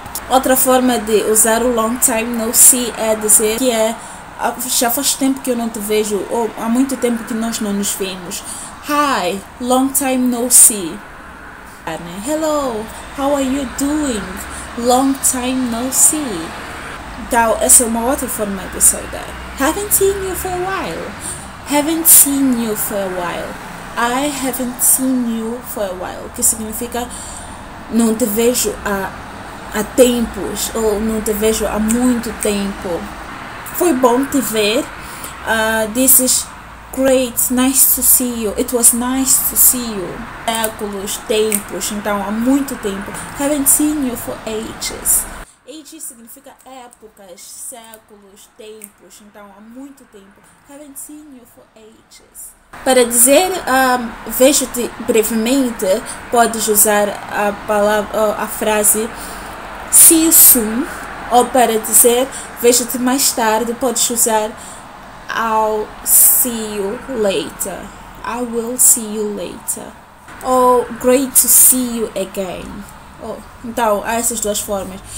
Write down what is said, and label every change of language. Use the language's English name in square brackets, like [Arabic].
[Portuguese] Outra forma de usar o long time no see é dizer que é já faz tempo que eu não te vejo ou há muito tempo que nós não nos vemos. [English] Hi, long time no see. Hello, how are you doing? Long time no see. [Portuguese] Então, essa é uma outra forma de saudar. [English] Haven't seen you for a while. Haven't seen you for a while. I haven't seen you for a while. [Portuguese] Que significa não te vejo há tempos ou não te vejo há muito tempo. Foi bom te ver. [English] This is great. Nice to see you. It was nice to see you. [Portuguese] Séculos, tempos, então há muito tempo. [English] Haven't seen you for ages. [Portuguese] Ages significa épocas, séculos, tempos, então há muito tempo. [English] Haven't seen you for ages. [Portuguese] Para dizer vejo-te brevemente, podes usar a frase [English] See you soon. [Portuguese] Ou para dizer, vejo-te mais tarde, podes usar [English] I'll see you later. I will see you later. Ou great to see you again. [Portuguese] Oh, então, há essas duas formas.